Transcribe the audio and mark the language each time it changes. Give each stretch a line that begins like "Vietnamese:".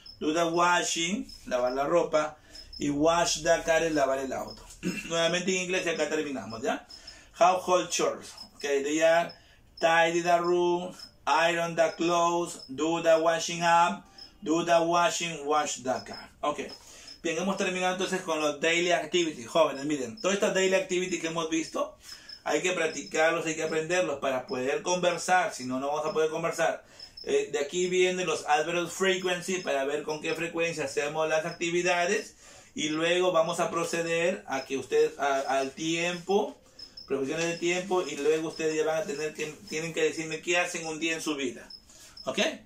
English: Do the washing,
Spanish: lavar la ropa, y
English: wash the car,
Spanish: es lavar el auto. Nuevamente en inglés y acá terminamos, ¿ya?
English: Household chores, ok, they are tidy the room, iron the clothes, do the washing up, do the washing, wash the car.
Spanish: Ok, bien, hemos terminado entonces con los
English: daily activities.
Spanish: Jóvenes, miren, todas estas
English: daily activities
Spanish: que hemos visto, hay que practicarlos, hay que aprenderlos para poder conversar, si no, no vamos a poder conversar. De aquí vienen los adverbs frequency para ver con qué frecuencia hacemos las actividades y luego vamos a proceder a que ustedes al tiempo, profesiones de tiempo, y luego ustedes ya van a tener que, tienen que decirme qué hacen un día en su vida, ¿ok?